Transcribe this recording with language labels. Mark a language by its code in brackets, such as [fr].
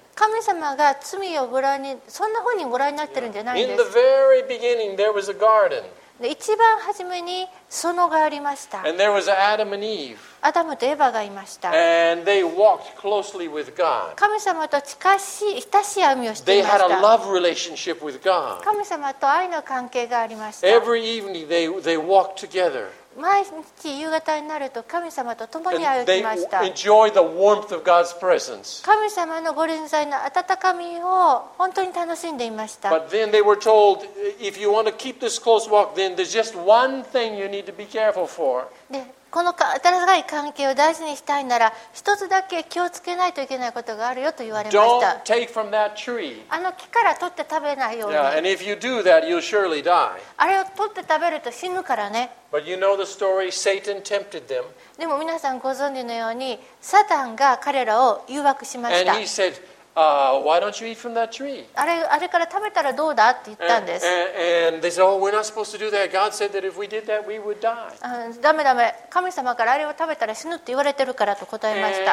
[ja] 神様が罪をご覧に、そんな風にご覧になってるんじゃないんです。 [en] In the very beginning, there was a garden. [ja] 一番初めに園がありました。 [en] And there was Adam and Eve. [ja] アダムとエヴァがいました。 [en] And they walked closely with God. [ja] 神様と親しい歩みをしていました。 [en] They had a love relationship with God. [ja] 神様と愛の関係がありました。 [en] Every evening, they walked together. [ja] 毎日夕方になると神様と共に歩きました。 [en] enjoy the warmth of God's presence. [ja] 神様のご臨在の温かみを本当に楽しんでいました。 [en] But then they were told, if you want to keep this close walk, then there's just one thing you need to be careful for. [ja] で、この新しい関係を大事にしたいなら一つだけ気をつけないといけないことがあるよと言われました。 [en] Don't take from that tree. [ja] あの木から取って食べないように。 [en] Yeah, and if you do that, you'll surely die. [ja] あれを取って食べると死ぬからね。 [en] But you know the story, Satan tempted them. [ja] でも皆さんご存知のようにサタンが彼らを誘惑しました。 [en] And he said, why don't you eat from that tree? [ja] あれから食べたらどうだって言ったんです。 [en] and they said, oh, we're not supposed to do that. God said that if we did that, we would die. [ja] ダメ。神様からあれを食べたら死ぬって言われてるからと答えました。